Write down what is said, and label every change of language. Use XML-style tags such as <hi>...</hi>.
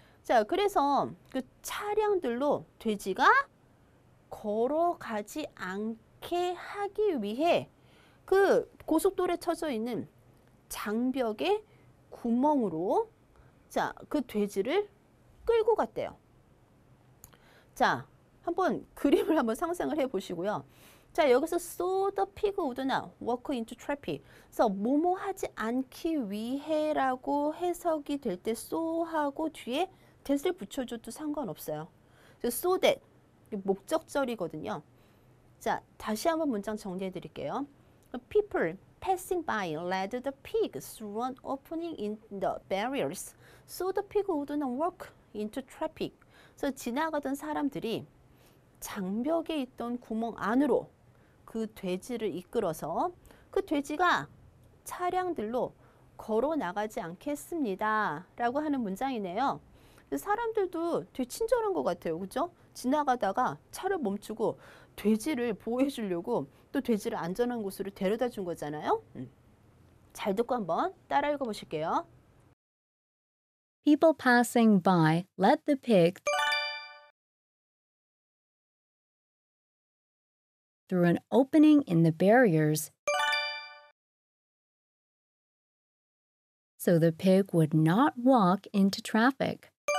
<ko>자, 그래서 그 차량들로 돼지가 걸어가지 않게 하기 위해 그 고속도로에 쳐져 있는 장벽의 구멍으로 자, 그 돼지를 끌고 갔대요. 자, 한번 그림을 한번 상상을 해 보시고요. 자, 여기서</ko> <en>so the pig would not walk into traffic.</en> <ko>그래서 뭐뭐 하지 않기 위해라고 해석이 될 때 so 하고 뒤에 that을 붙여줘도 상관없어요. so that 목적절이거든요. 자, 다시 한번 문장 정리해 드릴게요.</ko> <en>People passing by led the pig through an opening in the barriers. So the pig would not walk into traffic.</en> <ko>So 지나가던 사람들이 장벽에 있던 구멍 안으로 그 돼지를 이끌어서 그 돼지가 차량들로 걸어 나가지 않겠습니다. 라고 하는 문장이네요. 사람들도 되게 친절한 것 같아요. 그죠? 지나가다가 차를 멈추고 돼지를 보호해 주려고 또 돼지를 안전한 곳으로 데려다 준 거잖아요. 잘 듣고 한번 따라 읽어 보실게요.</ko> <en>People passing by led the pig through an opening in the barriers so the pig would not walk into traffic.</en>